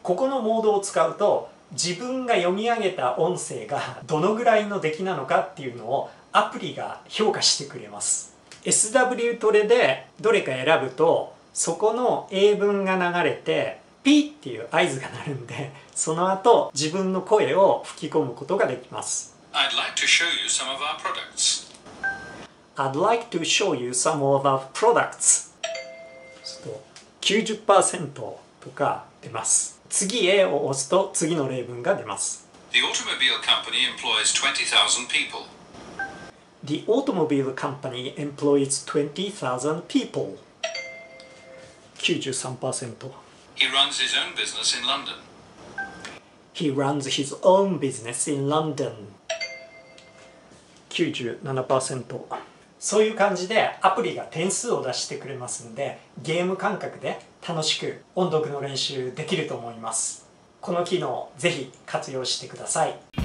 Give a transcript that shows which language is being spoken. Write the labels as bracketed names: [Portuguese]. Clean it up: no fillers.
[Japanese] ここのモードを使うと自分が読み上げた音声がどのぐらいの出来なのかっていうのをアプリが評価してくれます。 SW トレでどれか選ぶとそこの英文が流れてピーっていう合図が鳴るんで、その後自分の声を吹き込むことができます。 [English] I'd like to show you some of our products。 I'd like to show you some of our products。 [Japanese] ちょっと 90% とか出ます。次 A を押すと次の例文が出ます。 [English] The automobile company employs 20,000 people. The automobile company employs 20,000 people. 93%. He runs his own business in London. He runs his own business in London. 97%. [Japanese] そういう感じでアプリが点数を出してくれますので、ゲーム感覚で楽しく音読の練習できると思います。この機能ぜひ活用してください。